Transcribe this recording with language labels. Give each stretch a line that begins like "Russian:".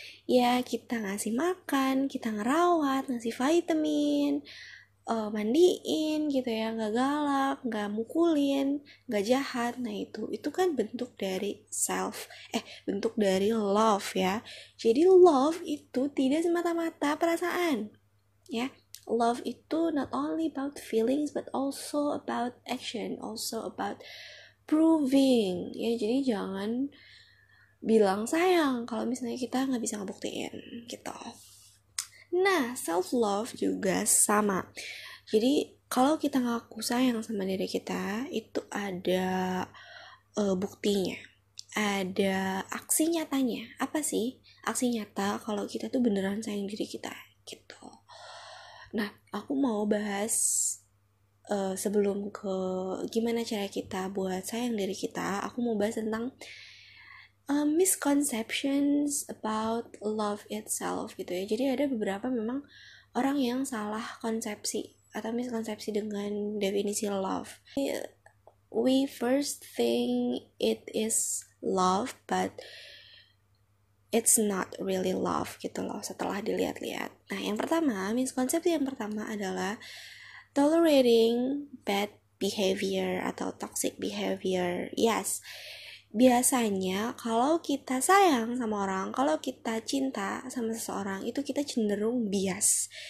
Indonesian: Ya, kita ngasih makan, kita ngerawat, ngasih vitamin, mandiin gitu ya, nggak galak, nggak mukulin, nggak jahat. Nah itu kan bentuk dari bentuk dari love ya. Jadi love itu tidak semata-mata perasaan ya.
English: Love itu not only about feelings but also about action, also about proving ya.
Indonesian: Jadi jangan bilang sayang kalau misalnya kita nggak bisa ngebuktiin gitu. Nah, self love juga sama. Jadi kalau kita ngaku sayang sama diri kita, itu ada buktinya, ada aksi nyatanya. Apa sih aksi nyata kalau kita tuh beneran sayang diri kita gitu. Nah, aku mau bahas sebelum ke gimana cara kita buat sayang diri kita, aku mau bahas tentang
English: misconceptions about love itself
Indonesian: gitu ya. Jadi ada beberapa memang orang yang salah konsepsi atau miskonsepsi dengan definisi love.
English: We first think it is love, but it's not really love
Indonesian: gitu loh setelah dilihat-lihat. Nah, yang pertama, miskonsepsi yang pertama adalah
English: tolerating bad behavior
Indonesian: atau
English: toxic behavior.
Indonesian: Yes. Biasanya kalau kita sayang sama orang, kalau kita cinta sama seseorang, itu kita cenderung bias.